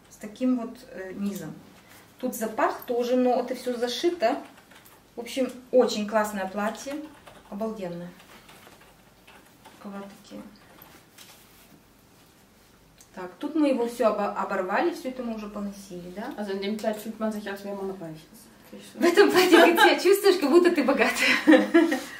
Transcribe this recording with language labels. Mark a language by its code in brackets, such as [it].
[ru] С таким вот низом. Тут запах тоже, но это все зашито. В общем, очень классное платье. Обалденное. Рукава такие. Так, тут мы его все оборвали, все это мы уже поносили, да? [de] Also in dem Kleid fühlt man sich, als wäre man reich. [ru] В этом платье, как ты чувствуешь, как будто ты богатая.